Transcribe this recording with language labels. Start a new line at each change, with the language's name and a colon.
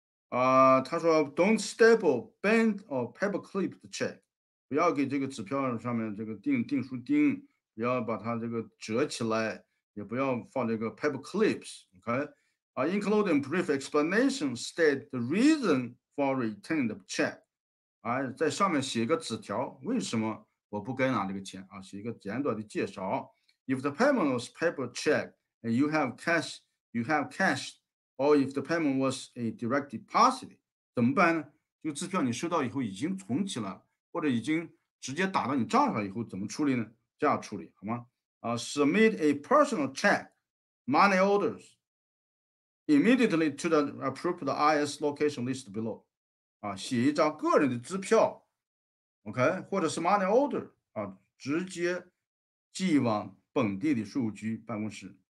Chinese: 他说 ，
English: Don't staple band or paper clip the check，
Chinese: 不要给这个纸票上面这个订书钉，不要把它这个折起来，也不要放这个 paper clips， OK？
English: Including brief explanation state the reason for return the check。
Chinese: 在上面写一个纸条，为什么我不该拿这个钱啊？写一个简短的介绍。
English: If the payment was paper check and you have cash, or if the payment was a direct deposit，
Chinese: 怎么办呢？这个支票你收到以后已经存起了，或者已经直接打到你账上以后，怎么处理呢？这样处理好吗？
English: Submit a personal check, money orders, immediately to the appropriate IS location listed below。
Chinese: 写一张个人的支票 ，OK， 或者是 money order 啊，直接寄往本地的税务局办公室。